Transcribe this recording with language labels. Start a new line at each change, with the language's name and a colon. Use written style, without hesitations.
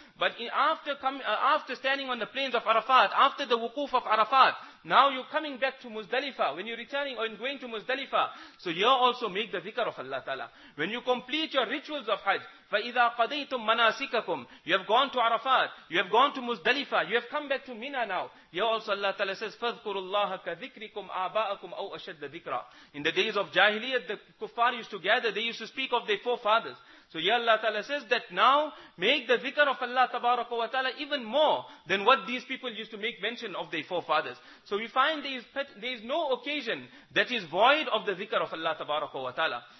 English: But after standing on the plains of Arafat, after the wukuf of Arafat, now you're coming back to Muzdalifah. When you're returning or going to Muzdalifah, so you also make the dhikr of Allah Ta'ala. When you complete your rituals of Hajj,
Arabic: فَإِذَا قَدَيْتُمْ مَنَاسِكَكُمْ,
English: you have gone to Arafat, you have gone to Muzdalifah, you have come back to Mina now. Here also Allah Ta'ala says,
Arabic: فَذْكُرُوا اللَّهَ كَذِكْرِكُمْ آبَاءَكُمْ أَوْ أَشَدَّ ذِكْرًا.
English: In the days of Jahiliyyah, the kuffar used to gather, they used to speak of their forefathers. So here Allah Ta'ala says that now make the dhikr of Allah Tabaraka wa Ta'ala even more than what these people used to make mention of their forefathers. So we find there is no occasion that is void of the dhikr of Allah Tabaraka wa Ta'ala.